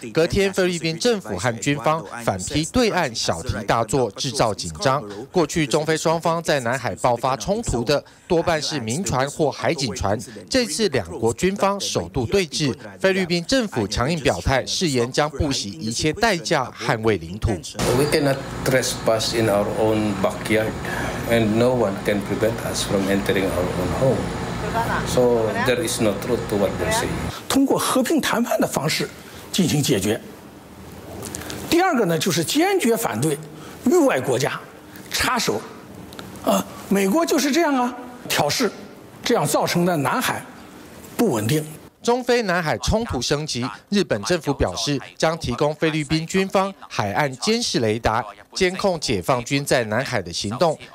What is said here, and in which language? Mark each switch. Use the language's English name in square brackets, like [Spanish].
[Chinese] 隔天，菲律宾政府和军方反批对岸小题大做，制造紧张。过去中菲双方在南海爆发冲突的，多半是民船或海警船。这次两国军方首度对峙，菲律宾政府强硬表态，誓言将不惜一切代价捍卫领土。 [English] We cannot trespass in our own backyard, and no one can prevent. Us from entering our own home. So there is no truth to what they're saying. [Chinese] 通过和平谈判的方式进行解决。第二个呢，就是坚决反对域外国家插手。美国就是这样啊，挑事，这样造成的南海不稳定。中菲南海冲突升级，日本政府表示将提供菲律宾军方海岸监视雷达，监控解放军在南海的行动。